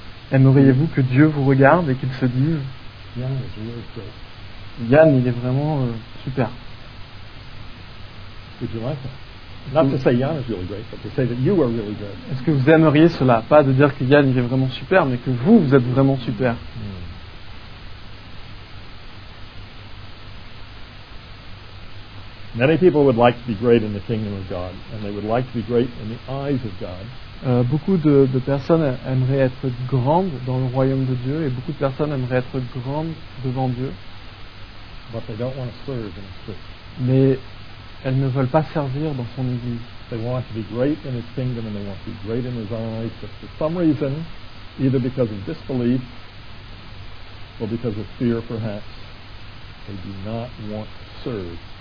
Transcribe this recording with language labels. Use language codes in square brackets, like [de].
[fr] aimeriez-vous que Dieu vous regarde et qu'il se dise, [en] Yann, is really great. [fr] Yann, il est vraiment super. [en] Would you like that? Not to say Yann is really great, but to say that you are really good. [fr] Est-ce que vous aimeriez cela? Pas de dire que Yann il est vraiment super, mais que vous êtes vraiment super. [en] Many people would like to be great in the kingdom of God, and they would like to be great in the eyes of God. [fr] Beaucoup de personnes aimeraient être grandes dans le royaume de Dieu, et beaucoup de personnes aimeraient être grandes devant Dieu. [en] But they don't want to serve in his church. [fr] Mais elles ne veulent pas servir dans son église. [en] They want to be great in his kingdom, and they want to be great in his eyes. But for some reason, either because of disbelief or because of fear, perhaps, they do not want to serve.